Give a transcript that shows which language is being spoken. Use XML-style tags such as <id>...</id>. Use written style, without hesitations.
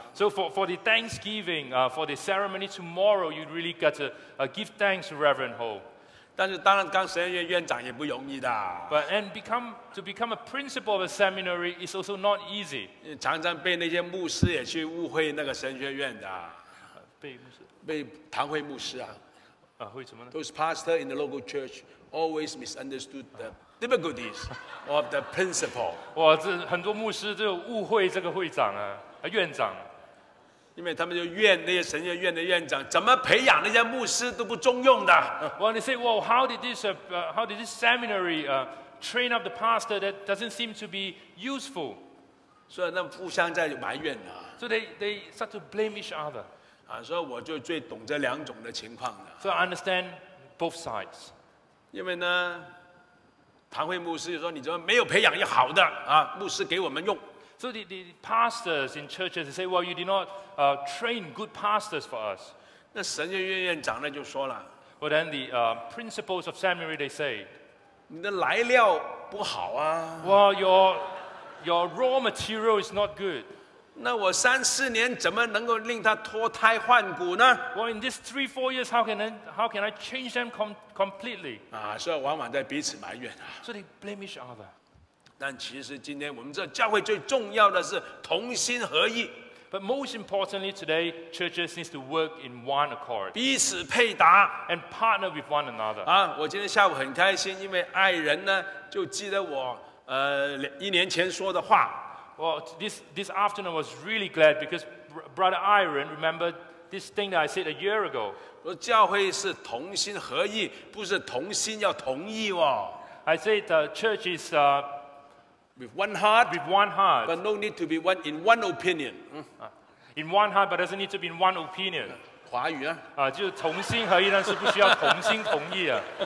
<en>So for the Thanksgiving, for the ceremony tomorrow, you really got to give thanks to Reverend Ho.</en> <zh>但是当然当神学院院长也不容易的。</zh> <en>But and to become a principal of a seminary is also not easy.</en> <zh>常常被那些牧师也去误会那个神学院的。被牧师？被堂会牧师啊。啊，会怎么呢？</zh> <en>Those pastors in the local church always misunderstood the difficulties of the principal.</en> <zh>哇，这很多牧师就误会这个会长啊，院长。因为他们就怨那些神学院的院长怎么培养那些牧师都不中用的。</zh> <en>Well, they say, well, how did this seminary train up the pastor that doesn't seem to be useful?</en> <zh>所以那互相在埋怨啊。</zh> <en>So they start to blame each other.</en> <zh>啊，所以我就最懂这两种的情况的。</zh> <en>So I understand both sides.</en> <zh>因为呢，堂会牧师就说你怎么没有培养一好的啊牧师给我们用。</zh> <en>So the pastors in churches say, well, you did not train good pastors for us.</en> <zh>那神学院院长呢就说了。</zh> <en>Well, then the principals of seminary, they say,</en> <zh>你的来料不好啊。</zh> <en>Well, your raw material is not good.</en> <zh>那我3-4年怎么能够令他脱胎换骨呢？</zh> <en>Well, in these 3-4 years, how can I change them completely?</en> <zh>啊，所以往往在彼此埋怨啊。</zh> <en>So they blame each other.</en> <zh>但其实今天我们这教会最重要的是同心合意。</zh> <en>But most importantly today, churches need to work in one accord.</en> <zh>彼此配搭</zh> <en>and partner with one another.</en> <zh>啊，我今天下午很开心，因为爱人呢就记得我1年前说的话。</zh> <en>Well, this afternoon I was really glad because brother Iron remembered this thing that I said a year ago.</en> <zh>我说教会是同心合意，不是同心要同意哦。</zh> <en>I said the church is With one heart, but no need to be one in one opinion. In one heart, but doesn't need to be in one opinion.</en> <zh>华语啊，啊，就是同心合意，但是不需要同心同意啊。</zh>